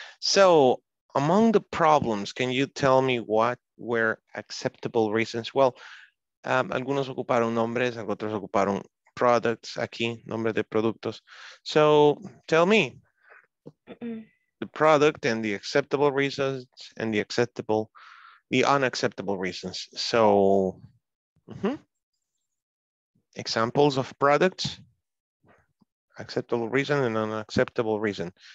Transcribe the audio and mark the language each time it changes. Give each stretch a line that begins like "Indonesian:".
English: So, among the problems, can you tell me what were acceptable reasons?
Spanish: Well, algunos ocuparon nombres, otros ocuparon products, aquí, nombre de productos.
English: So, tell me. The product and the acceptable reasons and the unacceptable reasons. So, examples of products, acceptable reason and unacceptable reason.